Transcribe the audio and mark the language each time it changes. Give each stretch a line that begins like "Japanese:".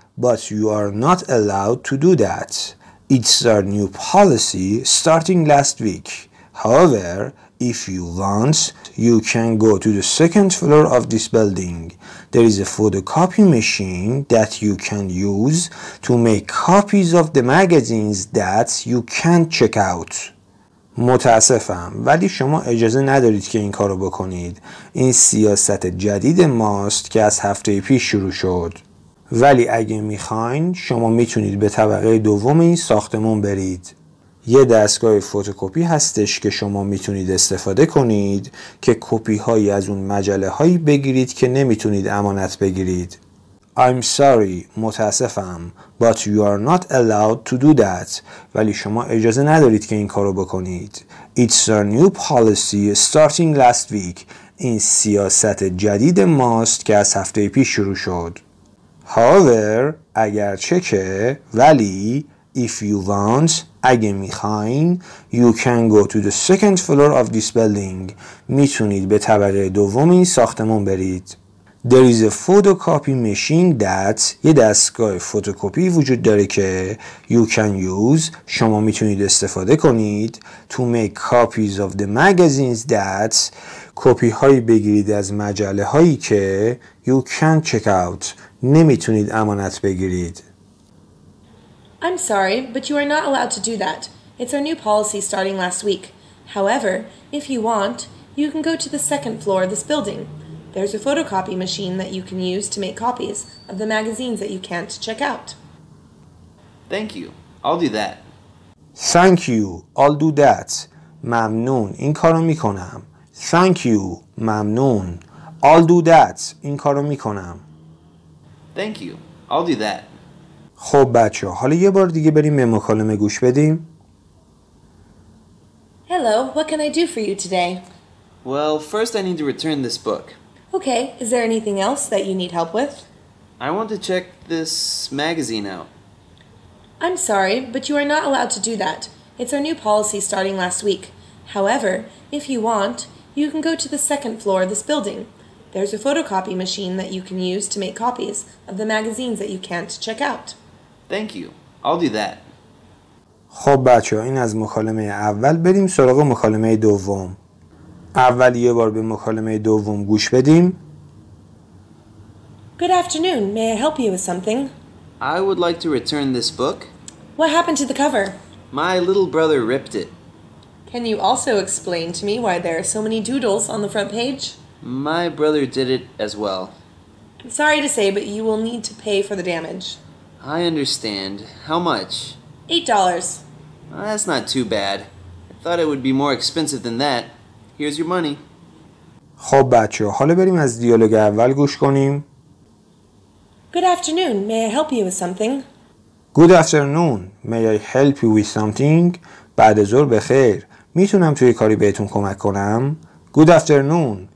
English: But you are not allowed to do that. It's our new policy starting last week. However, if you want, you can go to the second floor of this building. There is a photocopy machine that you can use to make copies of the magazines that you can't check out.
Persian: متاسفم، ولی شما اجازه ندارید که این کارو بکنید. این سیاست جدید ماست که از هفته پیش شروع شد. ولی اگه میخواین شما میتونید به طبقه دوم این ساختمون برید. یه دستگاه فتوکپی هستش که شما میتونید استفاده کنید که کپی هایی از اون مجله هایی بگیرید که نمیتونید امانت بگیرید.
English: I'm sorry،
Persian: متاسفم،
English: but you are not allowed to do that.
Persian: ولی شما اجازه ندارید که این کارو بکنید.
English: It's our new policy starting last week.
Persian: این سیاست جدید ماست که از هفته پیش شروع شد.
English: However,
Persian: اگرچه که، ولی,
English: if you want,
Persian: اگه میخواین,
English: you can go to the second floor of this building.
Persian: میتونید به طبقه دوم این ساختمون برید.
English: There is a photocopy machine that,
Persian: یه دستگاه فوتوکوپی وجود داره که,
English: you can use,
Persian: شما میتونید استفاده کنید,
English: to make copies of the magazines that,
Persian: کپی هایی بگیرید از مجله هایی که,
English: you can check out,
Persian: نمیتونید امانت بگیرید.
English: I'm sorry, but you are not allowed to do that. It's our new policy starting last week. However, if you want, you can go to the second floor of this building. There's a photocopy machine that you can use to make copies of the magazines that you can't check out. Thank you. I'll do that. Thank you. I'll do that.
Persian: ممنون. این کارو میکنم.
English: Thank you.
Persian: ممنون.
English: I'll do that.
Persian: این کارو میکنم.
English: Thank you. I'll do that.
Persian: خب بچه، حالا یه بار دیگه بریم به مکالمه گوش بدیم.
English: Hello, what can I do for you today? Well, first I need to return this book. Okay, is there anything else that you need help with? I want to check this magazine out. I'm sorry, but you are not allowed to do that. It's our new policy starting last week. However, if you want, you can go to the second floor of this building. There's a photocopy machine that you can use to make copies of the magazines that you can't check out. Thank you. I'll do that.
Persian: خب بچه، این از مکالمه اول. بریم سراغ مکالمه دوم. اول یه بار به مکالمه دوم گوش بدیم.
English: Good afternoon. May I help you with something? I would like to return this book. What happened to the cover? My little brother ripped it. Can you also explain to me why there are so many doodles on the front page? My brother did it as well. I'm sorry to say, but you will need to pay for the damage. I understand. How much? $8. That's not too bad. I thought it would be more expensive than that. Here's your money.
Persian: خب بچه، حالا بریم از دیالوگ اول گوش کنیم.
English: Good afternoon. May I help you with something? Good afternoon. May I help you with something?
Persian: بعد ظهر بخیر. میتونم توی کاری بهتون کمک کنم؟
English: Good afternoon.